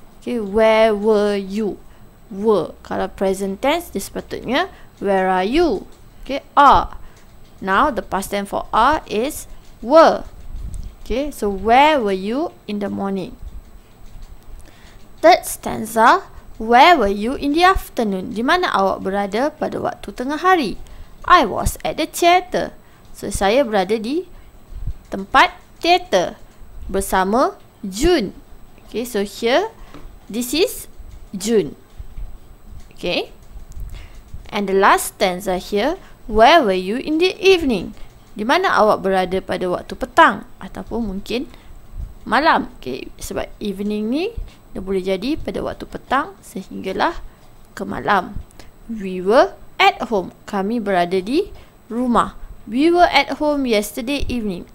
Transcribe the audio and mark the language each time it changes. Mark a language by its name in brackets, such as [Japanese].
[English] Okay, where were you? Were. [Malay] Kalau [English] present tense, [Malay] dia sepatutnya [English] where are you? Okay, are. Now, the past tense for are is were. Okay, so where were you in the morning? Third stanza. Where were you in the afternoon? [Malay] Di mana awak berada pada waktu tengah hari? [English] I was at the theater. So, [Malay] saya berada di tempat teater bersama June. [English] Okay, so here, this is June. Okay. And the last stanza here, where were you in the evening? [Malay] Di mana awak berada pada waktu petang? Ataupun mungkin malam. Okay. Sebab evening ni, dia boleh jadi pada waktu petang sehinggalah ke malam. [English] We were at home. [Malay] Kami berada di rumah. [English] We were at home yesterday evening.